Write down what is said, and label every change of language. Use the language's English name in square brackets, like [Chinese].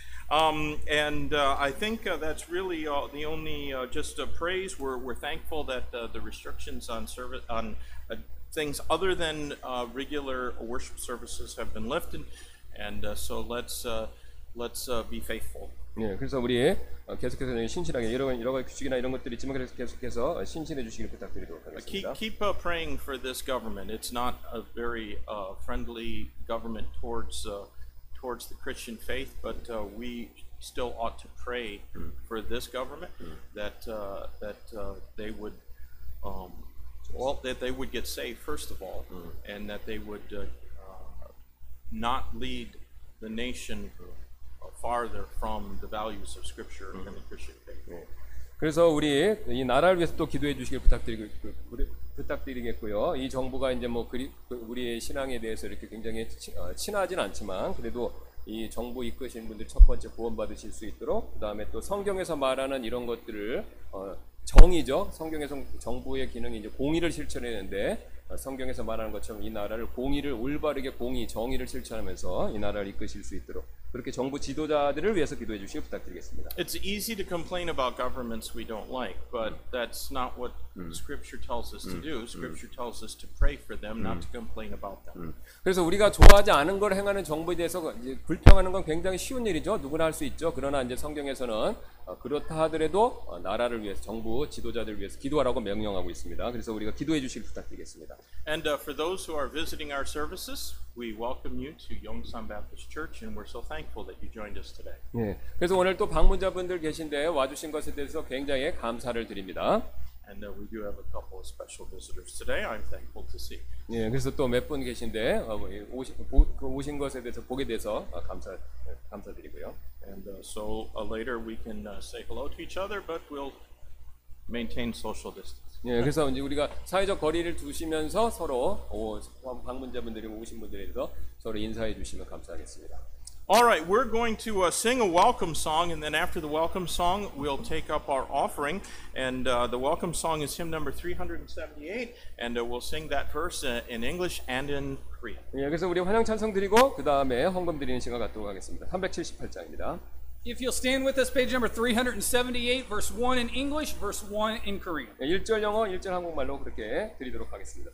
[English] And I think that's really the only just a praise. We're thankful that the restrictions on service on things other than regular worship services have been lifted, and so let's be faithful. [Korean] 네, 그래서 우리 계속해서 신실하게 여러 가지 규칙이나 이런 것들이 있지만 계속해서 신실해 주시기를 부탁드리도록 하겠습니다. [English] Keep praying for this government. It's not a very friendly government towards the Christian faith, but we still ought to pray for this government that they would get saved first of all, and that they would not lead the nation farther from the values of Scripture and the Christian faith. [Korean] 그래서 우리 이 나라를 위해서 또 기도해 주시길 부탁드리겠고요. 이 정부가 이제 뭐 우리의 신앙에 대해서 이렇게 굉장히 친하진 않지만 그래도 이 정부 이끄신 분들이 첫 번째 구원 받으실 수 있도록 그 다음에 또 성경에서 말하는 이런 것들을 정의죠. 성경에서 정부의 기능이 이제 공의를 실천하는데 성경에서 말하는 것처럼 이 나라를 공의를 올바르게 공의 정의를 실천하면서 이 나라를 이끄실 수 있도록 그렇게 정부 지도자들을 위해서 기도해 주시길 부탁드리겠습니다. [English] It's easy to complain about governments we don't like, but that's not what scripture tells us to do. Scripture tells us to pray for them, not to complain about them. [Korean] 그래서 우리가 좋아하지 않은 걸 행하는 정부에 대해서 이제 불평하는 건 굉장히 쉬운 일이죠. 누구나 할 수 있죠. 그러나 이제 성경에서는 그렇다 하더라도 나라를 위해서 정부 지도자들 위해서 기도하라고 명령하고 있습니다. 그래서 우리가 기도해 주시길 부탁드리겠습니다. [English] And for those who are visiting our services, we welcome you to Yongsan Baptist Church and we're so thankful that you joined us today. [Korean] 네. 그래서 오늘 또 방문자분들 계신데 와 주신 것에 대해서 굉장히 감사를 드립니다. [English] And we do have a couple of special visitors today. I'm thankful to see. [Korean] 네. 그래서 또 몇 분 계신데 오신 것에 대해서 보게 돼서 감사드리고요. [English] And so later we can say hello to each other, but we'll maintain social distance. [Korean] 네, 그래서 이제 우리가 사회적 거리를 두시면서 서로 방문자분들이 오신 분들에 대해서 서로 인사해 주시면 감사하겠습니다. [English] All right, we're going to sing a welcome song, and then after the welcome song, we'll take up our offering. And the welcome song is hymn number 378, and we'll sing that verse in English and in Korean. [Korean] 예, 그래서 우리 환영 찬송 드리고 그 다음에 헌금 드리는 시간 갖도록 하겠습니다. 378장입니다. [English] If you'll stand with us, page number 378, verse 1 in English, verse 1 in Korean. [Korean] 예, 1절 영어, 1절 한국말로 그렇게 드리도록 하겠습니다.